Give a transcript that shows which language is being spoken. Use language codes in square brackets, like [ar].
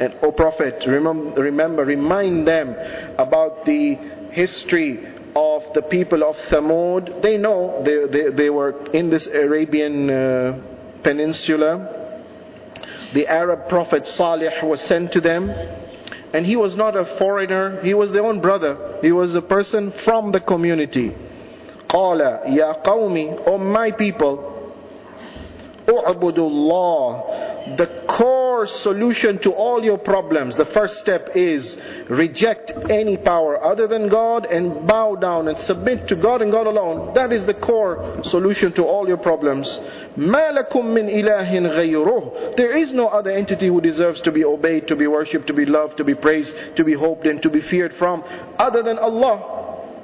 [en] And O Prophet, remind them about the history of the people of Thamud. They know they were in this Arabian peninsula. The Arab Prophet Salih was sent to them. And he was not a foreigner, he was their own brother. He was a person from the community. [ar] قَالَ يَا قَوْمِ, [en] O my people, [ar] أُعْبُدُ اللَّهِ. [en] The core solution to all your problems, the first step is reject any power other than God and bow down and submit to God and God alone. That is the core solution to all your problems. [ar] مَا لَكُم مِّنْ إِلَهٍ غَيْرُهُ. [en] There is no other entity who deserves to be obeyed, to be worshipped, to be loved, to be praised, to be hoped and to be feared from other than Allah.